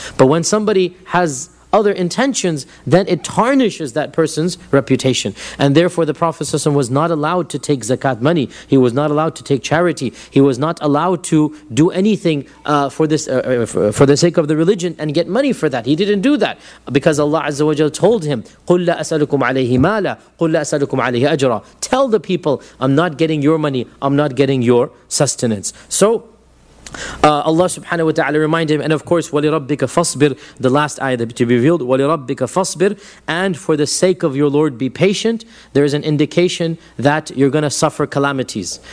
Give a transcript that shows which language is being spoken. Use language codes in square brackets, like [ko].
[en] But when somebody has other intentions, then it tarnishes that person's reputation. And therefore the Prophet ﷺ was not allowed to take zakat money. He was not allowed to take charity. He was not allowed to do anything for the sake of the religion and get money for that. He didn't do that. Because Allah Azza wa Jalla told him, [ar] قُلْ لَا أَسَلُكُمْ عَلَيْهِ مَالًا قُلْ لَا أَسَلُكُمْ عَلَيْهِ أَجْرًا. [en] Tell the people, I'm not getting your money, I'm not getting your sustenance. So Allah subhanahu wa ta'ala remind him, and of course, [ar] وَلِرَبِّكَ فَصْبِرْ, [en] the last ayah to be revealed, وَلِرَبِّكَ فَصْبِرْ, and for the sake of your Lord, be patient. There is an indication that you're going to suffer calamities.